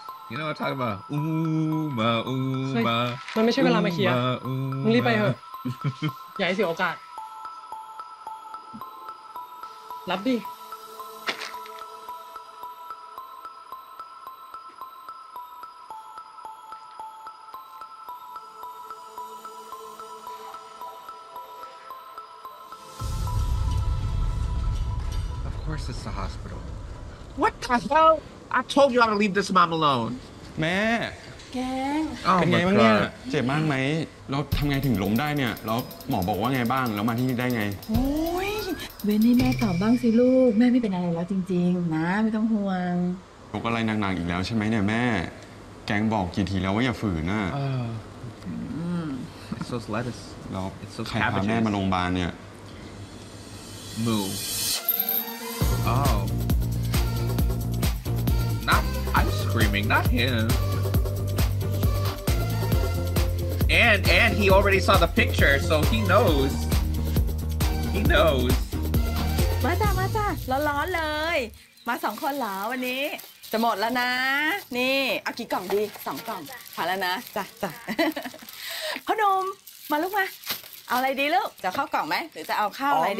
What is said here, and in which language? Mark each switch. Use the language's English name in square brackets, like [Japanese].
[English] You know what I'm talking about Uma Uma [Thai] มันไม่ใช่เวลามาคิดอ่ะมึงรีบไปเถอะอย่าให้เสียโอกาสรับดิ [English] It's the hospital. What the hell? I told you how to leave this mom alone. [Thai] แม่ แกง เป็นไงบ้างเนี่ยเจ็บมากไหมแล้วทำไงถึงล้มได้เนี่ยแล้วหมอบอกว่าไงบ้างแล้วมาที่นี่ได้ไง โอ้ยเวนนี่แม่ตอบบ้างสิลูกแม่ไม่เป็นอะไรแล้วจริงๆนะไม่ต้องห่วง ตกอะไรหนักๆอีกแล้วใช่ไหมเนี่ยแม่แกงบอกกี่ทีแล้วว่าอย่าฝืนนะ [English] It's those lettuce. [Thai] แล้วใครพาแม่มาโรงพยาบาลเนี่ย [English] Move. Oh. Not, I'm screaming, not him. And he already saw the picture, so he knows. He knows. [Thai] มาจ้ามาจ้าร้อนๆเลยมาสองคนเหรอวันนี้จะหมดแล้วนะนี่เอากี่กล่องดีสองกล่องผ่านแล้วนะจ้ะจ้ะพ่อนมมาลูกมาเอาอะไรดีลูกจะเข้ากล่องไหมหรือจะเอาข้าวอะไรด